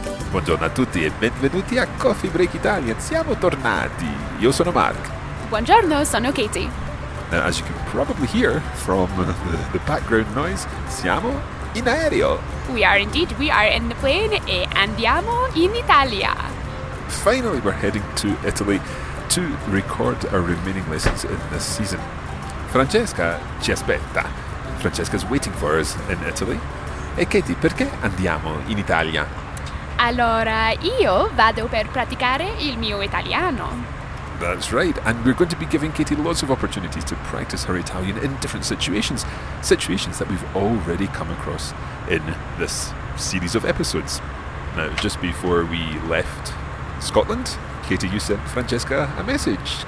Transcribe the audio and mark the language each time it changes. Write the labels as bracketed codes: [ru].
[it] Buongiorno a tutti e benvenuti a Coffee Break Italian. Siamo tornati. Io sono Mark. Buongiorno, sono Katie. [en] Now, as you can probably hear from the background noise, [it] siamo in aereo. [en] We are indeed. We are in the plane [it] e andiamo in Italia. [en] Finally, we're heading to Italy to record our remaining lessons in this season. [it] Francesca ci aspetta. [en] Francesca's waiting for us in Italy. [it] E Katie, perché andiamo in Italia? Allora, io vado per praticare il mio italiano. [en] That's right, and we're going to be giving Katie lots of opportunities to practice her Italian in different situations, situations that we've already come across in this series of episodes. Now, just before we left Scotland, Katie, you sent Francesca a message.